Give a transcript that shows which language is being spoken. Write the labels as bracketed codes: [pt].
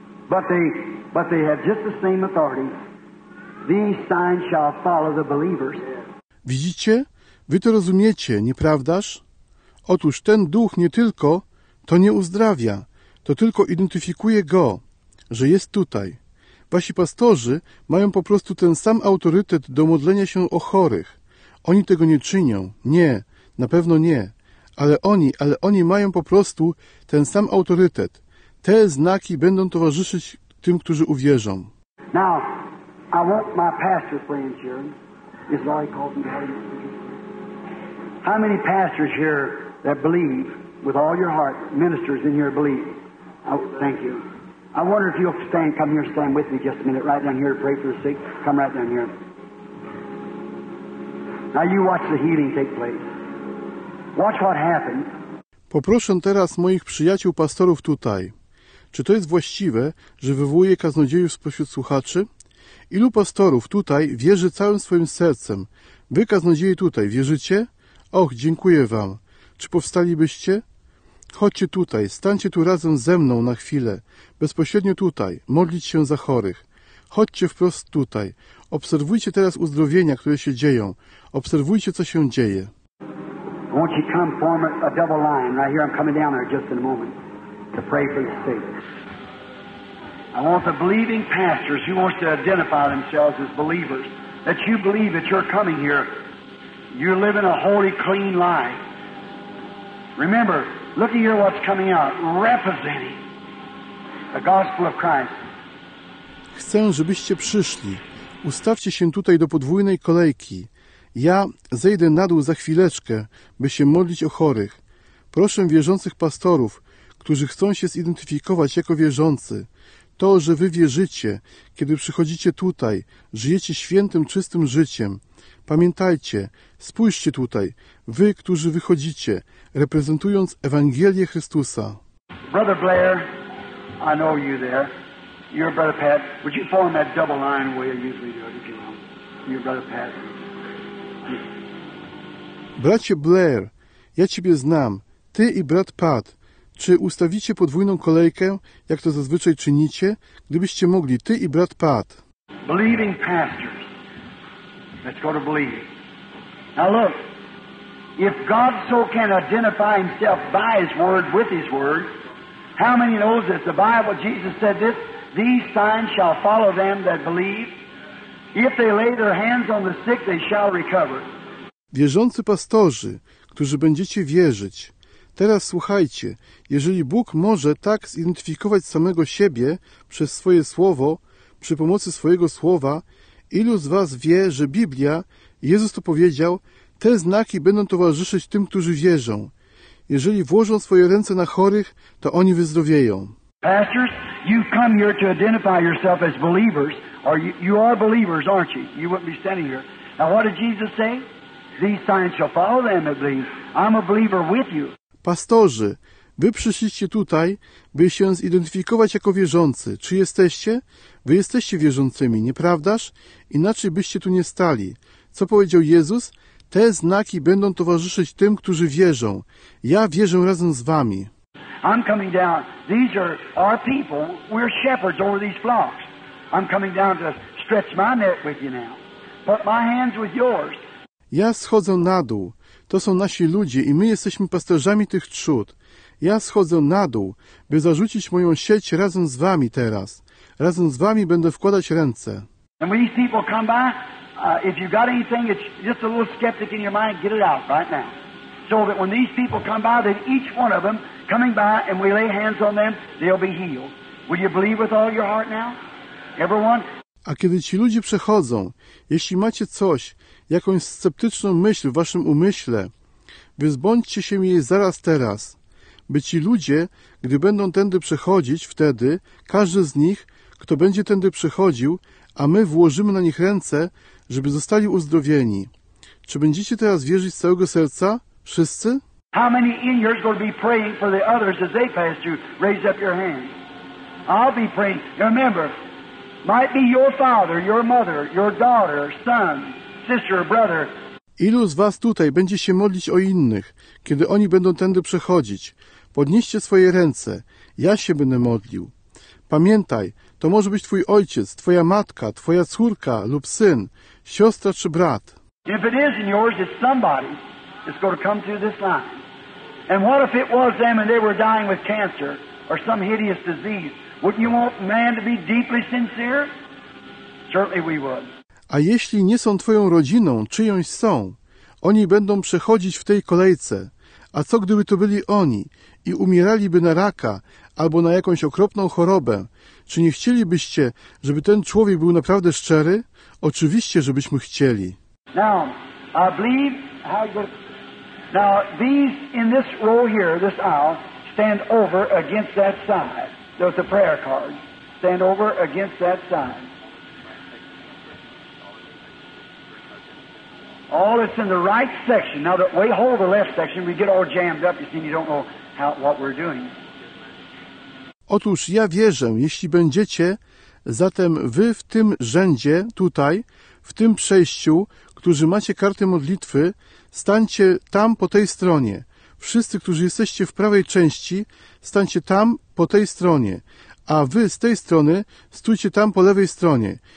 [en] But they have just the same authority. These signs shall follow the believers. [pl] Widzicie? Wy to rozumiecie, nieprawdaż? Otóż ten duch nie tylko to nie uzdrawia, to tylko identyfikuje go, że jest tutaj. Wasi pastorzy mają po prostu ten sam autorytet do modlenia się o chorych. Oni tego nie czynią. Nie, na pewno nie. Ale oni mają po prostu ten sam autorytet. Te znaki będą towarzyszyć tym, którzy uwierzą. [en] Now, I want my pastor friends here. Is Larry Colton here? How many pastors here that believe with all your heart, ministers in here believe? Oh, thank you. I wonder if you'll stand, come here, stand with me just a minute, right down here to pray for the sick. Come right down here. Now you watch the healing take place. Watch what happens. [pl] Poproszę teraz moich przyjaciół pastorów tutaj. Czy to jest właściwe, że wywołuje kaznodziejów spośród słuchaczy? Ilu pastorów tutaj wierzy całym swoim sercem? Wy, kaznodzieje tutaj, wierzycie? Och, dziękuję wam. Czy powstalibyście? Chodźcie tutaj, stańcie tu razem ze mną na chwilę, bezpośrednio tutaj, modlić się za chorych. Chodźcie wprost tutaj. Obserwujcie teraz uzdrowienia, które się dzieją. Obserwujcie, co się dzieje. [en] Won't you come form a double line right here? I'm coming down there just in a moment to pray for the sick. I want the believing pastors who want to identify themselves as believers, that you believe that you're coming here. You're living a holy, clean life. Remember, look at here what's coming out, representing the gospel of Christ. [pl] Chcę, żebyście przyszli. Ustawcie się tutaj do podwójnej kolejki. Ja zejdę na dół za chwileczkę, by się modlić o chorych. Proszę wierzących pastorów, którzy chcą się zidentyfikować jako wierzący. To, że wy wierzycie, kiedy przychodzicie tutaj, żyjecie świętym, czystym życiem. Pamiętajcie, spójrzcie tutaj, wy, którzy wychodzicie, reprezentując Ewangelię Chrystusa. [en] Brother Blair, I know you there. You're Brother Pat. Would you form that double line where you usually do it, you're Brother Pat. [pl] Bracie Blair, ja ciebie znam, ty i brat Pat, czy ustawicie podwójną kolejkę, jak to zazwyczaj czynicie, gdybyście mogli, ty i brat Pat? [en] Believing pastors, let's go to believe. Now look, if God so can identify himself by his word, with his word, how many knows this? The Bible, Jesus said this, these signs shall follow them that believe. If they lay their hands on the sick, they shall recover. [pl] Wierzący pastorzy, którzy będziecie wierzyć, teraz słuchajcie, jeżeli Bóg może tak zidentyfikować samego siebie przez swoje słowo, przy pomocy swojego słowa, ilu z was wie, że Biblia, Jezus to powiedział, te znaki będą towarzyszyć tym, którzy wierzą. Jeżeli włożą swoje ręce na chorych, to oni wyzdrowieją. [en] Pastors, you've come here to identify yourself as believers. Or you are believers, aren't you? You wouldn't be standing here. Now what did Jesus say? These signs shall follow them that believe. I'm a believer with you. [pl] Pastorzy, wy przyszliście tutaj, by się zidentyfikować jako wierzący. Czy jesteście? Wy jesteście wierzącymi, nieprawdaż? Inaczej byście tu nie stali. Co powiedział Jezus? Te znaki będą towarzyszyć tym, którzy wierzą. Ja wierzę razem z wami. [en] I'm coming down. These are our people. We're shepherds over these flocks. I'm coming down to stretch my net with you now. Put my hands with yours. [pl] Ja schodzę na dół. To są nasi ludzie i my jesteśmy pasterzami tych trzód. Ja schodzę na dół, by zarzucić moją sieć razem z wami teraz. Razem z wami będę wkładać ręce. [en] And when these people come by, if you've got anything, it's just a little skeptic in your mind, get it out right now. So that when these people come by, that each one of them coming by and we lay hands on them, they'll be healed. Will you believe with all your heart now? Everyone? [pl] A kiedy ci ludzie przechodzą, jeśli macie coś, jakąś sceptyczną myśl w waszym umyśle, wyzbądźcie się jej zaraz teraz, by ci ludzie, gdy będą tędy przechodzić, wtedy każdy z nich, kto będzie tędy przechodził, a my włożymy na nich ręce, żeby zostali uzdrowieni. Czy będziecie teraz wierzyć z całego serca? Wszyscy? [en] How many in here are going to be praying for the others as they pass you? Raise up your hand. I'll be praying. Remember, might be your father, your mother, your daughter, son, sister, brother. [pl] Ilu z was tutaj będzie się modlić o innych, kiedy oni będą tędy przechodzić? Podnieście swoje ręce. Ja się będę modlił. Pamiętaj, to może być twój ojciec, twoja matka, twoja córka lub syn, siostra czy brat. [en] If it is in yours, it's somebody that's going to come through this line. And what if it was them and they were dying with cancer or some hideous disease? Wouldn't you want man to be deeply sincere? Certainly we would. [pl] A jeśli nie są twoją rodziną, czyjąś są, oni będą przechodzić w tej kolejce. A co gdyby to byli oni i umieraliby na raka albo na jakąś okropną chorobę? Czy nie chcielibyście, żeby ten człowiek był naprawdę szczery? Oczywiście, żebyśmy chcieli. [en] Now, I believe how good. Now, these in this row here, this aisle, stand over against that side. There's a prayer card. Stand over against that side. All that's in the right section. Now, that we hold the left section, we get all jammed up. You see, you don't know how, what we're doing. [pl] Otóż ja wierzę, jeśli będziecie, zatem wy w tym rzędzie, tutaj, w tym przejściu, którzy macie karty modlitwy, stańcie tam po tej stronie. Wszyscy, którzy jesteście w prawej części, stańcie tam po tej stronie, a wy z tej strony stójcie tam po lewej stronie.